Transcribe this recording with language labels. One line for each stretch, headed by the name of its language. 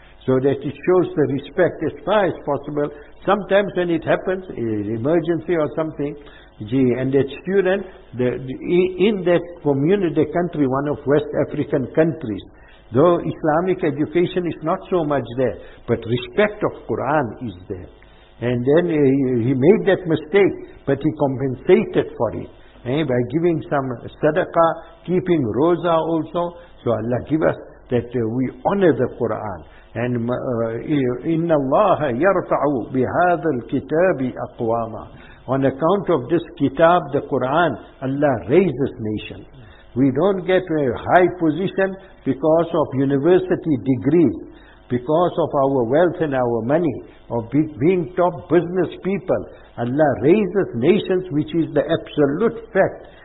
English: So that it shows the respect as far as possible. Sometimes when it happens, an emergency or something, and that student, in that community, the country, one of West African countries, though Islamic education is not so much there, but respect of Quran is there. And then he made that mistake, but he compensated for it by giving some sadaqah, keeping roza also. So Allah give us that we honor the Quran.
Arabic: And إِنَّ اللَّهَ يَرْفَعُ بِهَذَا الْكِتَابِ أَقْوَامًا.
English: On account of this kitab, the Quran, Allah raises nation. We don't get a high position because of university degrees, because of our wealth and our money, of being top business people. Allah raises nations, which is the absolute fact.